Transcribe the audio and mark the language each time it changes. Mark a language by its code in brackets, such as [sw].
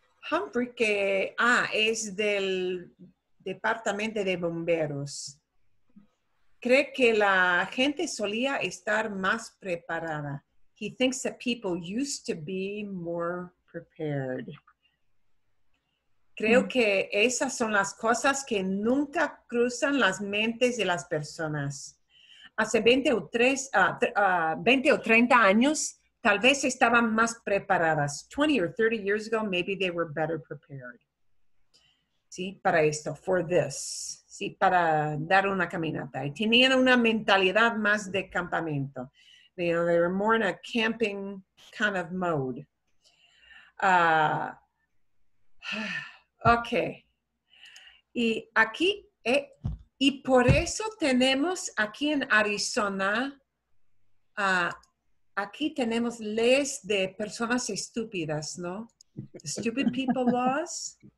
[es] Humphrey, que es del departamento de bomberos, cree que la gente solía estar más preparada. [en] He thinks that people used to be more prepared. [es] Creo que esas son las cosas que nunca cruzan las mentes de las personas. Hace 20 o 30 años, tal vez estaban más preparadas. [en] 20 or 30 years ago, maybe they were better prepared. [es] ¿Sí? Para esto, [en] for this. [es] ¿Sí? Para dar una caminata. Y tenían una mentalidad más de campamento. [en] You know, they were more in a camping kind of mode. Ok. [es] Y aquí, y por eso tenemos aquí en Arizona, aquí tenemos leyes de personas estúpidas, ¿no? [en] Stupid people laws.